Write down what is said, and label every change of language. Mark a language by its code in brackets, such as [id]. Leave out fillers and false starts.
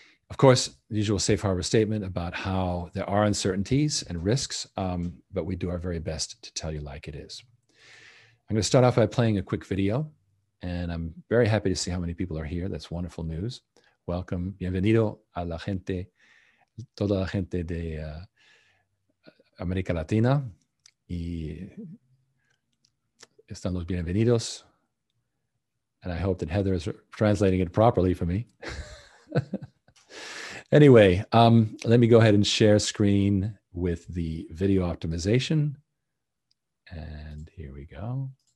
[en] Of course, the usual safe harbor statement about how there are uncertainties and risks, but we do our very best to tell you like it is. I'm going to start off by playing a quick video, and I'm very happy to see how many people are here. That's wonderful news. Welcome. [es] Bienvenido a la gente, toda la gente de América Latina. Y están los bienvenidos. [en] And I hope that Heather is translating it properly for me. Anyway, let me go ahead and share screen with the video optimization. And here we go.